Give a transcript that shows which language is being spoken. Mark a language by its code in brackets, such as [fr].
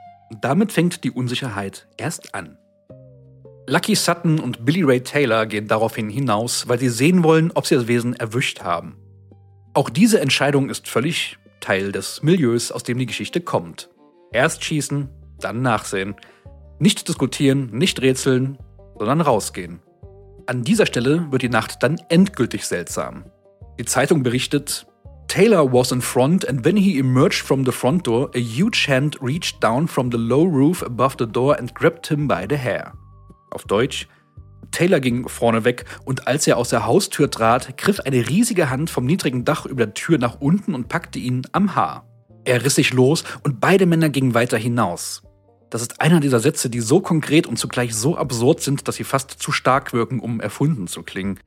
[de] Und damit fängt die Unsicherheit erst an. Lucky Sutton und Billy Ray Taylor gehen daraufhin hinaus, weil sie sehen wollen, ob sie das Wesen erwischt haben. Auch diese Entscheidung ist völlig Teil des Milieus, aus dem die Geschichte kommt. Erst schießen, dann nachsehen. Nicht diskutieren, nicht rätseln, sondern rausgehen. An dieser Stelle wird die Nacht dann endgültig seltsam. Die Zeitung berichtet: [en] Taylor was in front and when he emerged from the front door, a huge hand reached down from the low roof above the door and grabbed him by the hair. [de] Auf Deutsch: Taylor ging vorne weg und als er aus der Haustür trat, griff eine riesige Hand vom niedrigen Dach über der Tür nach unten und packte ihn am Haar. Er riss sich los und beide Männer gingen weiter hinaus. Das ist einer dieser Sätze, die so konkret und zugleich so absurd sind, dass sie fast zu stark wirken, um erfunden zu klingen.